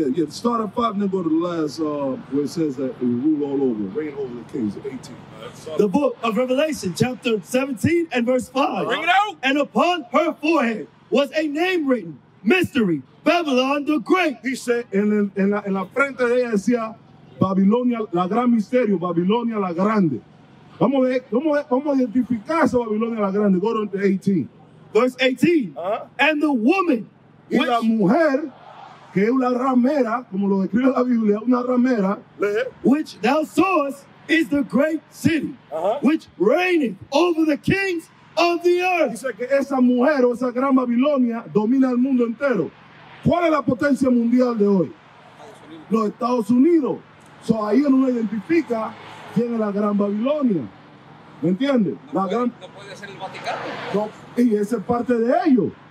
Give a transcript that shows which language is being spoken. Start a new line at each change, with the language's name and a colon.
English: Start at 5, then go to the last, where it says that it rule all over. Reign over the kings, 18. The book of Revelation, chapter 17 and verse 5. Bring it out. And upon her forehead was a name written, Mystery, Babylon the Great.
Spanish: Dice, en la frente de ella decía, Babilonia, la gran misterio, Babilonia la grande. Vamos a identificar esa Babilonia la grande.
English: Go to 18. Verse 18. Uh-huh. And the woman.
Spanish: Y la mujer, que es una ramera, como lo describe la Biblia, una ramera. Uh-huh.
English: Which thou sawest is the great city, uh-huh, which reigneth over the kings of the earth.
Spanish: Dice que esa mujer o esa gran Babilonia domina el mundo entero. ¿Cuál es la potencia mundial de hoy? Los Estados Unidos. So ahí uno identifica quién es la gran Babilonia. ¿Me entiendes? No puede ser el Vaticano. No, y esa es parte de ello.